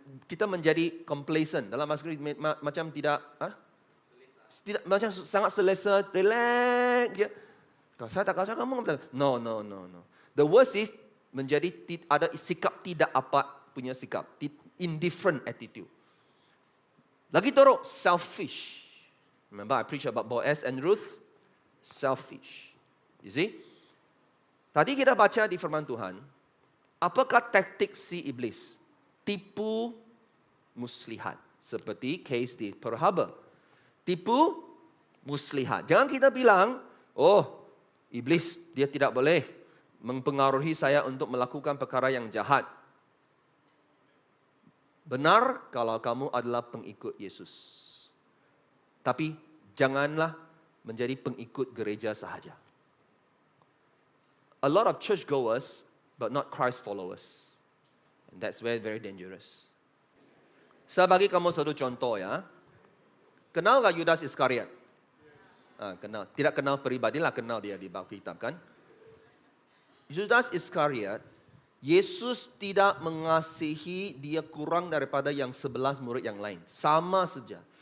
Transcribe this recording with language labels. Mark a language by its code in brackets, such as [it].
[ms] Kita menjadi complacent, dalam bahasa Inggris macam tidak, tidak, macam sangat selesa, relax. Ya. Kalau saya tak kacau, kamu tak kacau. [en] No. The worst is [ms] menjadi ada sikap tidak apa punya sikap. [en] Indifferent attitude. [ms] Lagi teruk, [en] selfish. Remember I preach about Boaz and Ruth? Selfish. You see? [ms] Tadi kita baca di firman Tuhan, apakah taktik si iblis? Tipu muslihat. Seperti case di Pearl Harbor. Tipu muslihat. Jangan kita bilang, oh, iblis dia tidak boleh mempengaruhi saya untuk melakukan perkara yang jahat. Benar kalau kamu adalah pengikut Yesus. Tapi janganlah menjadi pengikut gereja sahaja. [en] A lot of churchgoers, but not Christ followers. And that's where very dangerous. [ms] Saya bagi kamu satu contoh ya. Kenalkah Yudas Iskariot? [en] Yes. [ms] Kenal. Tidak kenal peribadilah, kenal dia di bawah kitab kan? Yudas Iskariot, Yesus tidak mengasihi dia kurang daripada yang 11 murid yang lain. Sama saja.